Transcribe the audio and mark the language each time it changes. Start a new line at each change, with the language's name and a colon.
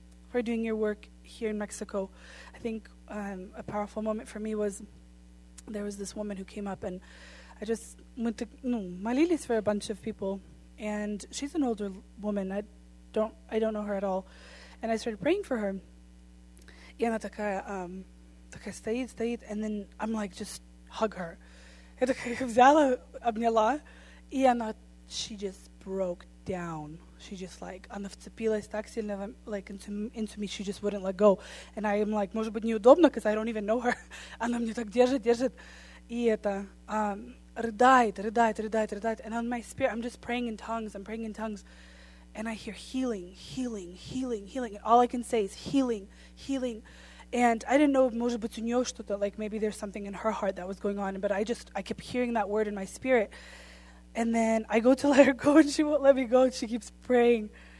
English: For doing your work here in Mexico. I think a powerful moment for me was there was this woman who came up, and I just went to
Russian: молились
English: for a bunch of people, and she's an older woman. I don't know her at all, and I started praying for her.
Russian: И она такая, такая стоит,
English: and then I'm like, just hug her.
Russian: Я такая взяла, обняла, и она,
English: she just broke down. She just like,
Russian: она вцепилась так сильно,
English: like into me, she just wouldn't let go. And I am like,
Russian: может быть неудобно,
English: because I don't even know her.
Russian: Она мне так держит. И это, рыдает,
English: and on my spirit, I'm just praying in tongues, and I hear healing, and all I can say is healing, and I didn't know,
Russian: может быть, у нее что-то,
English: like maybe there's something in her heart that was going on, but I kept hearing that word in my spirit, and then I go to let her go, and she won't let me go, and she keeps praying.